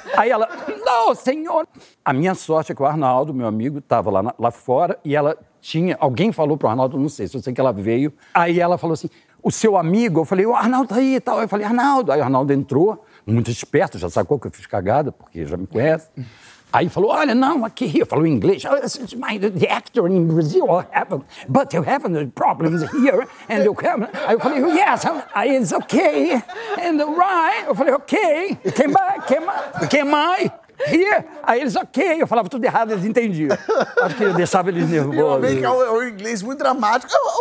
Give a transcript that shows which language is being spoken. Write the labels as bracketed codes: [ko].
[pt] Aí ela, não, senhor. A minha sorte é que o Arnaldo, meu amigo, tava lá fora e ela tinha, alguém falou pro Arnaldo, não sei, só sei que ela veio. Aí ela falou assim, o seu amigo, eu falei, o Arnaldo tá aí e tal. Eu falei, Arnaldo. Aí o Arnaldo entrou, muito esperto, já sacou que eu fiz cagada, porque já me conhece. Aí falou, olha, não, aqui, eu falo inglês. [en] My, the actor in Brazil, but you have problems here, and you come. [pt] Aí eu falei, [en] yes, I, it's okay, and right. [pt] Eu falei, [en] okay, can I? Here. [pt] Aí eles, ok, eu falava tudo errado, eles entendiam. Acho que eu deixava eles nervosos. Eu amei que é um inglês muito dramático.